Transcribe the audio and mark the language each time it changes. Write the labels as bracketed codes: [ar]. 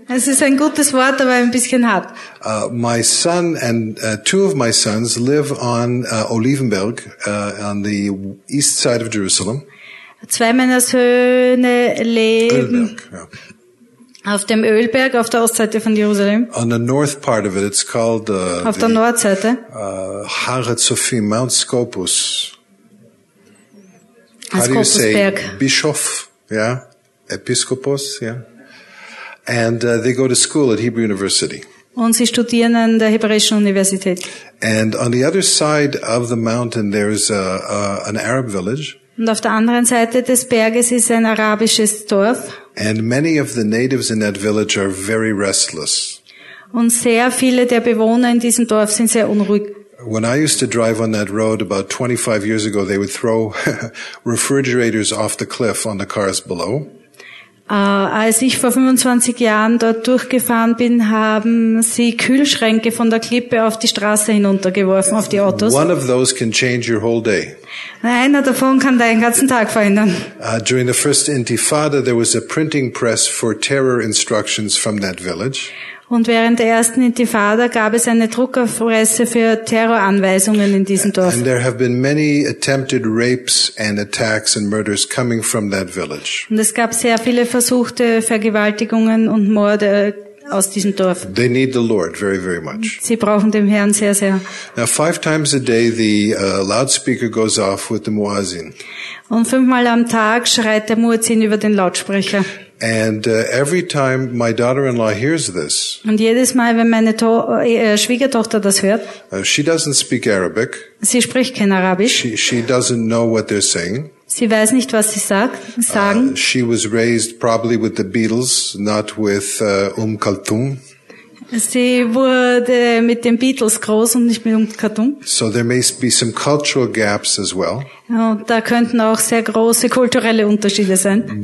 [de] Es ist ein gutes Wort, aber ein bisschen hart. [en] My son and two of my sons live on Olivenberg on the east side of Jerusalem. [de] Zwei meiner Söhne leben auf dem Ölberg, auf der Ostseite von Jerusalem. [en] On the north part of it, it's called [de] auf der Nordseite. [he] Haratzophim, Mount Scopus. [en] How do you say? Bischof, yeah? Episkopos, yeah? And they go to school at Hebrew University. [de] Und sie studieren an der Hebräischen Universität. [en] And on the other side of the mountain, there is an Arab village. [de] Und auf der anderen Seite des Berges ist ein arabisches Dorf. [en] And many of the natives in that village are very restless. [de] Und sehr viele der Bewohner in diesem Dorf sind sehr unruhig. [en] When I used to drive on that road about 25 years ago, they would throw refrigerators off the cliff on the cars below. [de] Als ich vor 25 Jahren dort durchgefahren bin, haben sie Kühlschränke von der Klippe auf die Straße hinuntergeworfen, auf die Autos. [en] One of those can change your whole day. [de] Einer davon kann deinen ganzen Tag verändern. [en] During the first Intifada, there was a printing press for terror instructions from that village. [de] Und während der ersten Intifada gab es eine Druckerpresse für Terroranweisungen in diesem Dorf. [en] And there have been many attempted rapes and attacks and murders coming from that village. [de] Und es gab sehr viele versuchte Vergewaltigungen und Morde aus diesem Dorf. [en] They need the Lord very, very much. [de] Sie brauchen den Herrn sehr, sehr. [en] Now 5 times a day the loudspeaker goes off with the Muazzin. [de] Und 5-mal am Tag schreit der Muazzin über den Lautsprecher. [en] And every time my daughter-in-law hears this, [de] und jedes Mal, wenn meine Schwiegertochter das hört, [en] she doesn't speak Arabic. [de] Sie spricht kein Arabisch. [en] She doesn't know what they're saying. [de] Sie weiß nicht, was sie sagen. [en] She was raised probably with the Beatles, not with Umm Kulthum. [de] Sie wurde mit den Beatles groß und nicht mit Umm Kulthum. [en] So there may be some cultural gaps as well. [de] Und da könnten auch sehr große kulturelle Unterschiede sein.